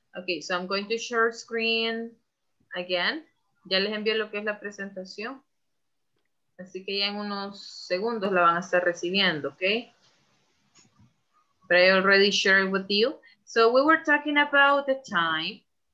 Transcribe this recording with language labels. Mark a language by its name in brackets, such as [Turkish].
[English] Okay, so I'm going to share screen again. [Spanish] Ya les envié lo que es la presentación. Así que ya en unos segundos la van a estar recibiendo, okay? [English] But I already shared it with you. So we were talking about the time.